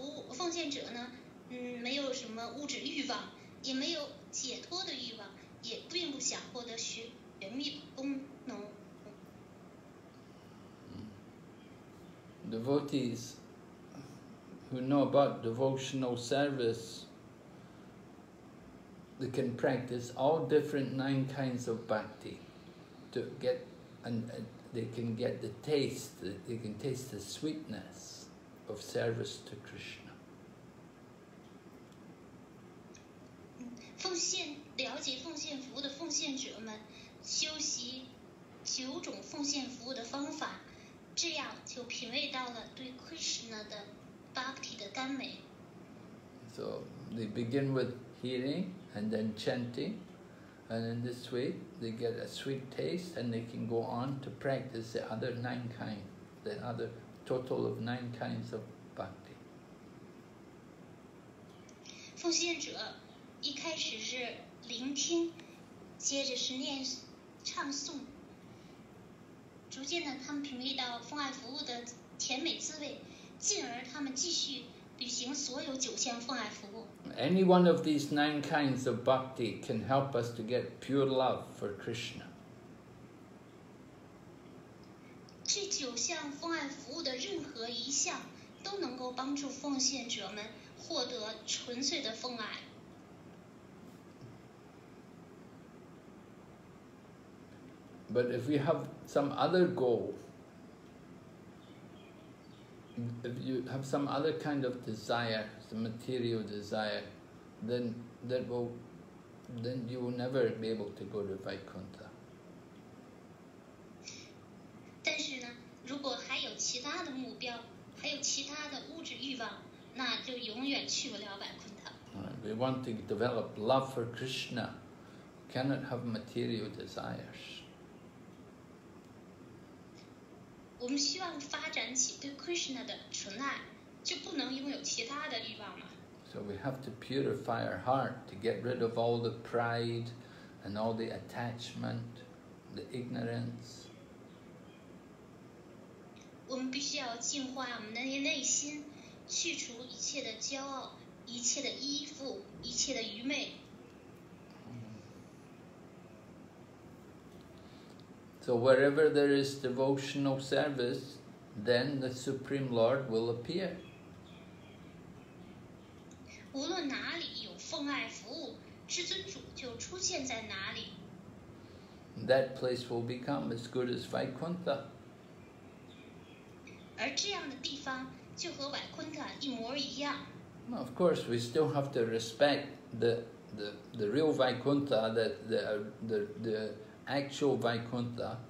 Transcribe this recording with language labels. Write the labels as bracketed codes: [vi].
[zh] 奉献者呢，没有什么物质欲望，也没有解脱的欲望，也并不想获得玄秘功能。 [en] Devotees who know about devotional service, they can practice all different 9 kinds of bhakti to get, and they can get the taste, they can taste the sweetness of service to Krishna. [zh] 奉献了解奉献服务的奉献者们修习九种奉献服务的方法，这样就品味到了对 Krishna 的 [en] Bhakti. So they begin with hearing and then chanting, and in this way they get a sweet taste and they can go on to practice the other 9 kinds, the other total of 9 kinds of bhakti. [zh] 奉献者一开始是聆听，接着是念唱诵，逐渐的他们品味到奉爱服务的甜美滋味，进而他们继续履行所有九项奉爱服务。 [en] Any one of these 9 kinds of bhakti can help us to get pure love for Krishna. [zh] 这九项奉爱服务的任何一项都能够帮助奉献者们获得纯粹的奉爱。 [en] But if we have some other goal,if you have some other kind of desire, some material desire, then that will, then you will never be able to go to Vaikuntha. [zh] 但是呢，如果还有其他的目标，还有其他的物质欲望，那就永远去不了 Vaikuntha. [en] We want to develop love for Krishna, cannot have material desires. [zh] 我们希望发展起对 Krishna 的纯爱，就不能拥有其他的欲望了。 [en] So we have to purify our heart to get rid of all the pride and all the attachment, the ignorance. [zh] 我们必须要净化我们的内心，去除一切的骄傲，一切的依附，一切的愚昧。 [en] So wherever there is devotional service, then the Supreme Lord will appear. [zh] 无论哪里有奉爱服务，至尊主就出现在哪里。 [en] That place will become as good as Vaikuntha. [zh] 而这样的地方就和 Vaikuntha 一模一样。 [en] Of course, we still have to respect the real Vaikuntha, the actual Vaikuntha.